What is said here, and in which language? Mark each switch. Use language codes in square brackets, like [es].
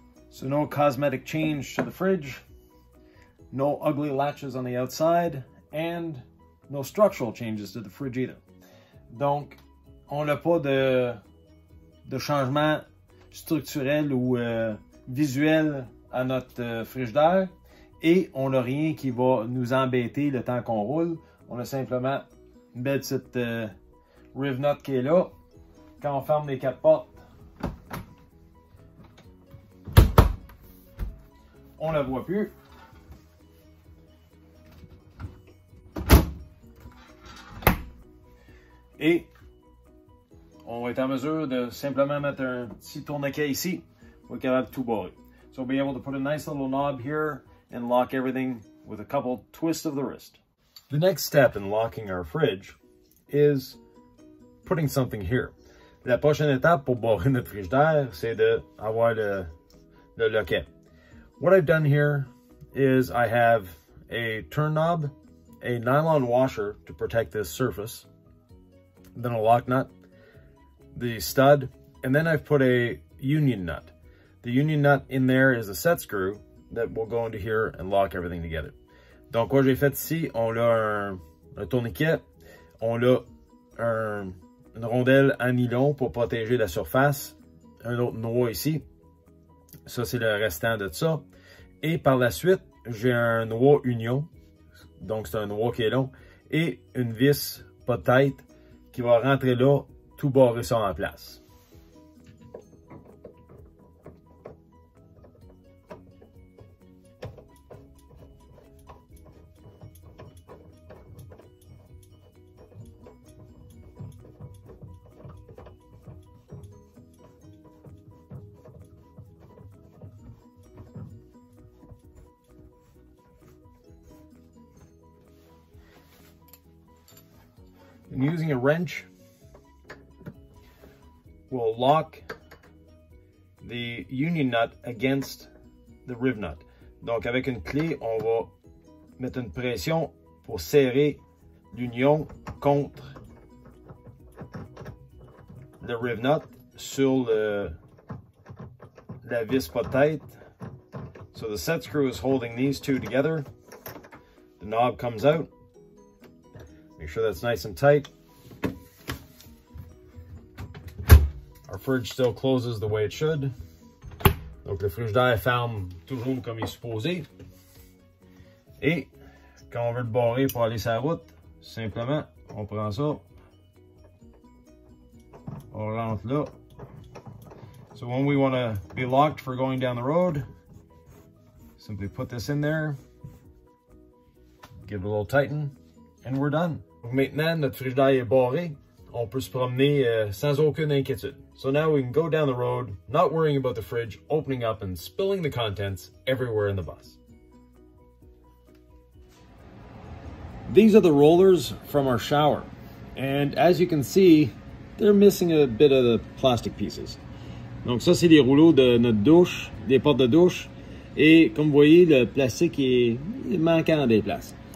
[en] So no cosmetic change to the fridge, no ugly latches on the outside, and no structural changes to the fridge either. [fr] Donc, on n'a pas de changement structurel ou visuel à notre frigidaire, et on n'a rien qui va nous embêter le temps qu'on roule. On a simplement une belle petite riv nut qui est là. Quand on ferme les quatre portes, on la voit plus. Et on va être en mesure de simplement mettre un petit tourniquet ici pour qu'elle ait tout barré. [en] So we'll be able to put a nice little knob here and lock everything with a couple twists of the wrist. The next step in locking our fridge is putting something here. [fr] La prochaine étape pour barrer notre frigidaire, c'est d'avoir le loquet. [en] What I've done here is I have a turn knob, a nylon washer to protect this surface, then a lock nut, the stud, and then I've put a union nut. The union nut in there is a set screw that will go into here and lock everything together. [fr] Donc, quoi j'ai fait ici, on a un tourniquet, on a une rondelle à nylon pour protéger la surface, un autre noix ici. Ça, c'est le restant de ça. Et par la suite, j'ai un noix union, donc c'est un noix qui est long, et une vis, pas de tête, qui va rentrer là, tout barrer ça en place. [en] And using a wrench, we'll lock the union nut against the riv nut. [fr] Donc avec une clé, on va mettre une pression pour serrer l'union contre le riv nut sur la vis pas tête. [en] So the set screw is holding these two together. The knob comes out. Make sure that's nice and tight. Our fridge still closes the way it should. [fr] Donc le frigidaire ferme toujours comme il est supposé. Et quand on veut le barrer pour aller sur la route, simplement on prend ça, on rentre là. [en] So when we want to be locked for going down the road, simply put this in there, give it a little tighten, and we're done. [fr] Maintenant, notre frigidaire est barré. On peut se promener sans aucune inquiétude. [en] So now we can go down the road, not worrying about the fridge opening up and spilling the contents everywhere in the bus. These are the rollers from our shower. And as you can see, they're missing a bit of the plastic pieces. [fr] Donc ça, c'est des rouleaux de notre douche, des portes de douche. Et comme vous voyez, le plastique est manquant des places.